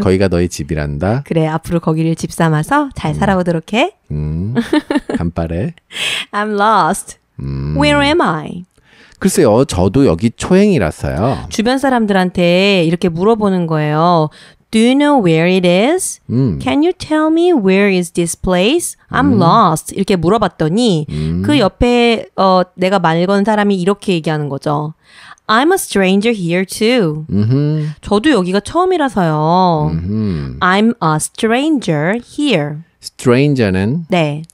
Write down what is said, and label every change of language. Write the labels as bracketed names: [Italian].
[Korean] 거기가 너의 집이란다. 그래, 앞으로 거기를 집 삼아서 잘 살아보도록 해. 간발에. [English] I'm lost. Where am I? [Korean] 글쎄요, 저도 여기 초행이라서요. 주변 사람들한테 이렇게 물어보는 거예요. [English] Do you know where it is? Can you tell me where is this place? I'm lost. [Korean] 이렇게 물어봤더니 그 옆에 내가 말 거는 사람이 이렇게 얘기하는 거죠. [English] I'm a stranger here too. Mm-hmm. [Korean] 저도 여기가 처음이라서요. Mm-hmm. [English] I'm a stranger here. [Korean] Stranger는 네.